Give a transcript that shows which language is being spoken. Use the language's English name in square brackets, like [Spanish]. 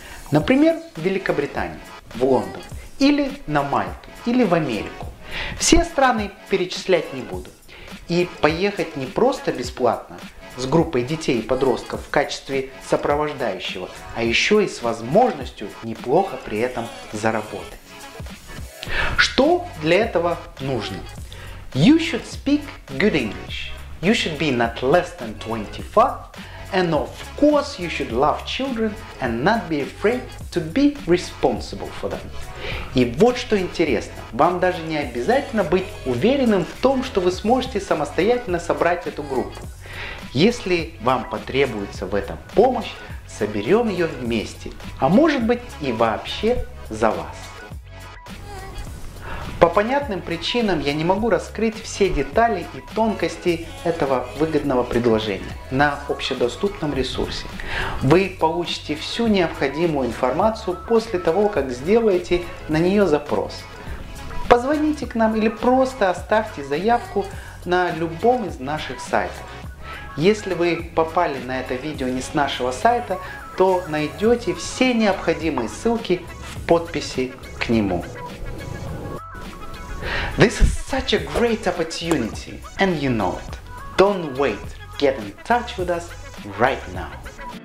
[Russian] Например, в Великобританию, в Лондон, или на Мальту, или в Америку. Все страны перечислять не буду. И поехать не просто бесплатно, с группой детей и подростков в качестве сопровождающего, а еще и с возможностью неплохо при этом заработать. Что для этого нужно? [English] You should speak good English. You should be not less than 25. And of course you should love children and not be afraid to be responsible for them. [Russian] И вот что интересно, вам даже не обязательно быть уверенным в том, что вы сможете самостоятельно собрать эту группу. Если вам потребуется в этом помощь, соберем ее вместе, а может быть и вообще за вас. По понятным причинам я не могу раскрыть все детали и тонкости этого выгодного предложения на общедоступном ресурсе. Вы получите всю необходимую информацию после того, как сделаете на нее запрос. Позвоните к нам или просто оставьте заявку на любом из наших сайтов. Если вы попали на это видео не с нашего сайта, то найдете все необходимые ссылки в подписи к нему. [English] This is such a great opportunity, and you know it. Don't wait. Get in touch with us right now.